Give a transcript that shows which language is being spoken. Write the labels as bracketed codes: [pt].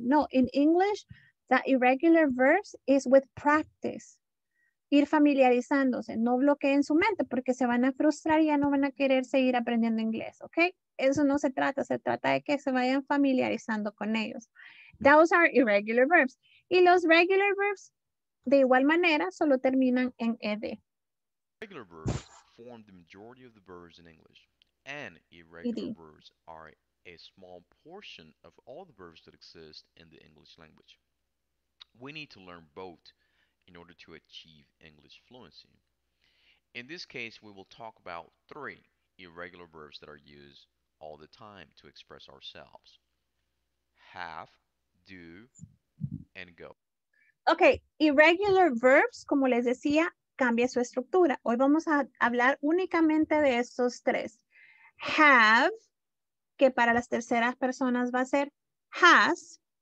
[en] No, in English, that irregular verbs is with practice. [es] Ir familiarizándose, no bloqueen su mente porque se van a frustrar y ya no van a querer seguir aprendiendo inglés, ¿ok? Eso no se trata, se trata de que se vayan familiarizando con ellos. [en] Those are irregular verbs. [es] Y los regular verbs, de igual manera, solo terminan en ed. [en] Regular verbs form the majority of the verbs in English. And irregular verbs are a small portion of all the verbs that exist in the English language. We need to learn both in order to achieve English fluency. In this case, we will talk about three irregular verbs that are used all the time to express ourselves. Have, do, and go. [es] Okay, irregular verbs, como les decía, cambia su estructura. Hoy vamos a hablar únicamente de estos tres. Have, que para las terceras personas va a ser has.